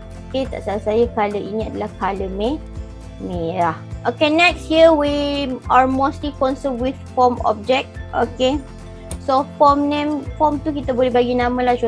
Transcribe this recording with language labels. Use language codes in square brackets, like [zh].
[ms] Okay, tak salah saya, color ini adalah color merah. [en] Okay, next here we are mostly concerned with form object. Okay, so form name, [ms] form tu kita boleh bagi nama lah.